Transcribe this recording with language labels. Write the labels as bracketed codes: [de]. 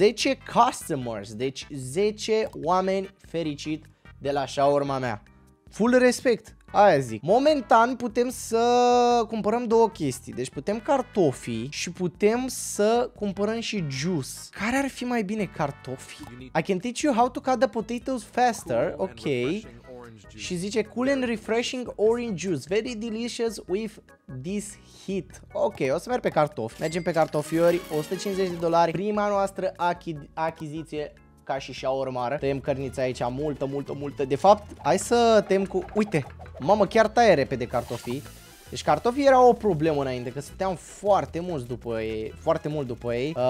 [en] 10 customers, [ro] deci 10 oameni fericit de la shaorma mea. [en] Full respect, [ro] aia zic. Momentan putem să cumpărăm două chestii. Deci putem cartofii și putem să cumpărăm și juice. Care ar fi mai bine, cartofii? [en] I can teach you how to cut the potatoes faster, ok. [ro] Și zice [en] cool and refreshing orange juice, very delicious with this heat. [ro] Ok, o să merg pe cartofi. Mergem pe cartofiori, 150 de dolari. Prima noastră achiziție ca și șaormară. Tăiem cărnița aici, multă, multă, multă. De fapt, hai să tăiem cu... Uite, mamă, chiar taie repede cartofii. Deci cartofii erau o problemă înainte, că stăteam foarte mult după ei. Foarte mult după ei.